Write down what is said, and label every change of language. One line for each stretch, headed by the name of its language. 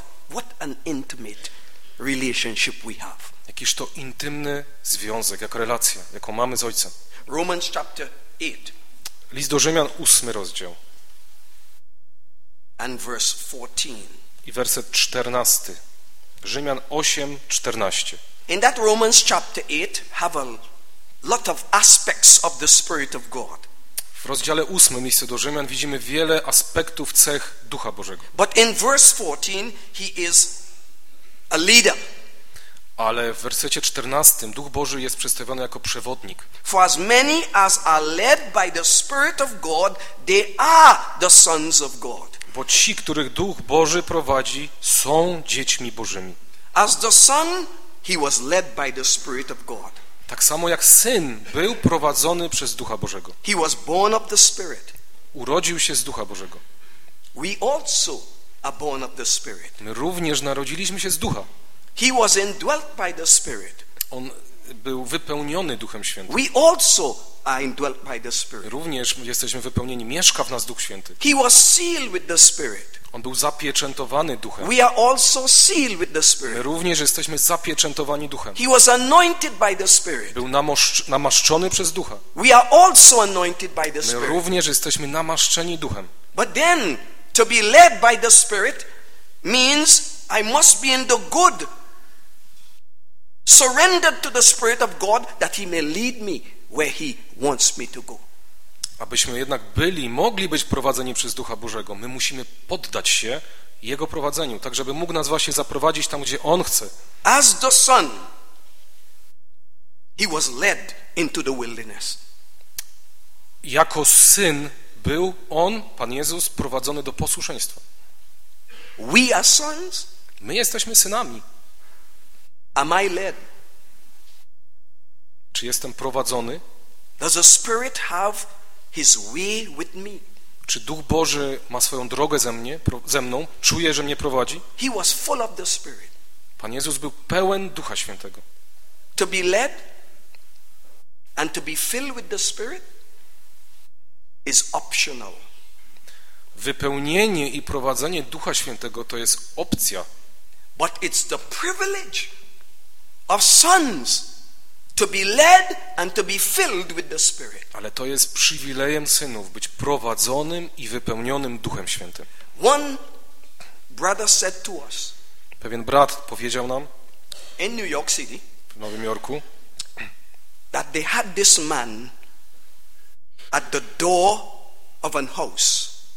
English: What an intimate relationship we have.
Polish: Jakiś to intymny związek, jak relacja, jaką mamy z Ojcem.
English: Romans chapter 8.
Polish: List do Rzymian, 8 rozdział.
English: And verse 14.
Polish: I werset 14. Rzymian 8, 14.
English: In that Romans chapter 8 have a lot of aspects of the Spirit of God.
Polish: W rozdziale 8 listu do Rzymian widzimy wiele aspektów cech Ducha Bożego.
English: But in verse 14 he is a leader.
Polish: Ale w wersecie 14 Duch Boży jest przedstawiony jako przewodnik.
English: For as many as are led by the Spirit of God, they are the sons of God.
Polish: Bo ci, których Duch Boży prowadzi, są dziećmi Bożymi.
English: As the son, he was led by the Spirit of God.
Polish: Tak samo jak syn był prowadzony przez Ducha Bożego.
English: He was born of the Spirit.
Polish: Urodził się z Ducha Bożego.
English: We also are born of the Spirit.
Polish: My również narodziliśmy się z Ducha.
English: He was indwelt by the Spirit.
Polish: On był wypełniony Duchem Świętym.
English: We also are indwelt by the Spirit.
Polish: Również jesteśmy wypełnieni, mieszka w nas Duch Święty.
English: He was sealed with the Spirit.
Polish: On był zapieczętowany Duchem.
English: We are also sealed with the Spirit.
Polish: My również jesteśmy zapieczętowani Duchem.
English: He was anointed by the Spirit.
Polish: Był namaszczony przez Ducha.
English: We are also anointed by the Spirit.
Polish: My również jesteśmy namaszczeni Duchem.
English: But then to be led by the Spirit means I must be in the good, surrendered to the Spirit of God, that He may lead me where He wants me to go.
Polish: Abyśmy jednak byli, mogli być prowadzeni przez Ducha Bożego, my musimy poddać się Jego prowadzeniu, tak żeby mógł nas właśnie zaprowadzić tam, gdzie On chce.
English: As the Son, He was led into the wilderness.
Polish: Jako Syn był On, Pan Jezus, prowadzony do posłuszeństwa.
English: We are sons.
Polish: My jesteśmy synami.
English: Am I led?
Polish: Czy jestem prowadzony?
English: Does the Spirit have His way with me?
Polish: Czy Duch Boży ma swoją drogę ze mną? Czuję, że mnie prowadzi?
English: He was full of the Spirit.
Polish: Pan Jezus był pełen Ducha Świętego.
English: To be led and to be filled with the Spirit is optional.
Polish: Wypełnienie i prowadzenie Ducha Świętego to jest opcja.
English: But it's the privilege of sons to be led and to be filled with the Spirit.
Polish: Ale to jest przywilejem synów być prowadzonym i wypełnionym Duchem Świętym.
English: One brother said to us.
Polish: Pewien brat powiedział nam.
English: In New York City.
Polish: W Nowym Jorku.
English: That they had this man at the door of an house.